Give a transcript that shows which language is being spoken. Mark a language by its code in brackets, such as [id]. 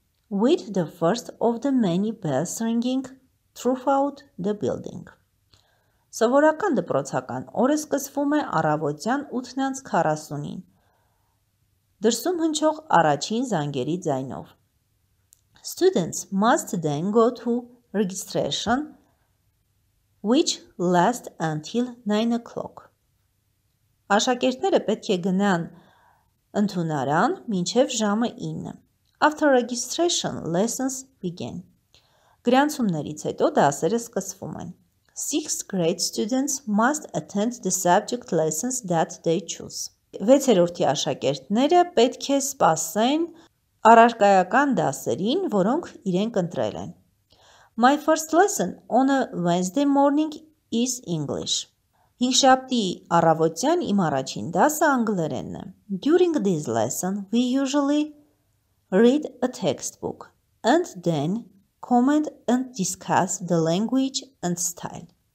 [en] with the first of the many bells ringing throughout the building. [hy] Սովորական դպրոցական օրը սկսվում է առավոտյան 8:40-ին, դրսում հնչող առաջին զանգերի ձայնով։ [en] Students must then go to registration, which lasts until 9:00. [hy] Աշակերտները պետք է գնան ընդունարան մինչև ժամը 9:00. [en] After registration, lessons begin. [hy] Գրանցումներից հետո դասերը սկսվում են։ [en] Sixth grade students must attend the subject lessons that they choose. [hy] Վեցերորդի աշակերտները պետք է սպասեն առարկայական դասերին, որոնք իրենք ընտրել են. [en] My first lesson on a Wednesday morning is English. [hy] Հինգշաբթի առավոտյան իմ առաջին դասը անգլերենն է. [en] During this lesson, we usually read a textbook and then comment and discuss the language and style.